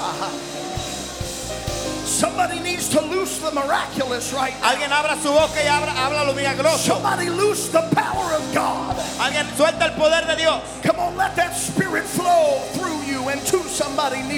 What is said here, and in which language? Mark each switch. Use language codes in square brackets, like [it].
[en] Somebody needs to loose the miraculous right now. [es] Alguien abra su boca y habla lo milagroso. [en] Somebody loose the power of God. [es] Alguien suelta el poder de Dios. [en] Come on, let that spirit flow through you and to somebody near